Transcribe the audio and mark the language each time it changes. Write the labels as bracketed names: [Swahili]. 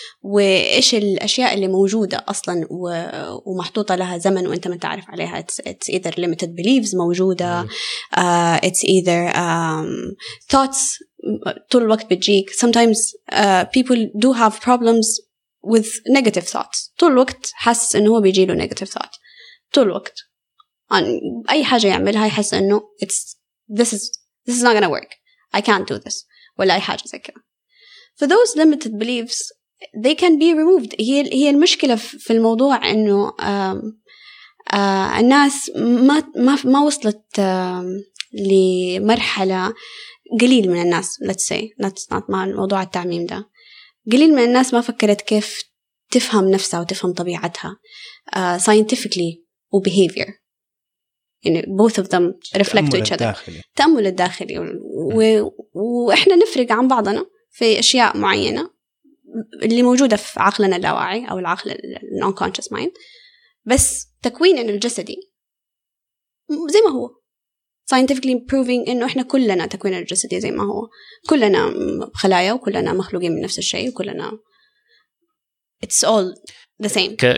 [Arabic] وإيش الأشياء اللي موجودة أصلاً ومحطوطة لها زمن وإنت ما تعرف عليها. [English] It's either limited beliefs [Arabic] موجودة. [English] It's either thoughts [Arabic] طول الوقت بتجيك. [English] Sometimes people do have problems with negative thoughts. [Arabic] طول الوقت حاسس إنه هو بيجيله [English] negative thoughts. [Arabic] طول الوقت. أي حاجة يعملها يحس إنه [English] this is not gonna work. I can't do this. [Arabic] ولا أي حاجة زي كده. [English] For those limited beliefs, they can be removed. [Arabic] هي المشكلة في الموضوع إنه الناس ما وصلت لمرحلة. قليل من الناس. [English] Let's say not [Arabic] مع موضوع التعميم ده. قليل من الناس ما فكرت كيف تفهم نفسها وتفهم طبيعتها scientifically و behavior. [English] يعني both of them reflect to each other. [Arabic] تأمل الداخلي. وإحنا نفرق عن بعضنا في أشياء معينة اللي موجودة في عقلنا اللاواعي أو العقل [English] non-conscious mind. [Arabic] بس تكويننا الجسدي زي ما هو scientifically proving إنه إحنا كلنا تكويننا الجسدي زي ما هو، كلنا خلايا وكلنا مخلوقين من نفس الشيء وكلنا [English] it's all the same.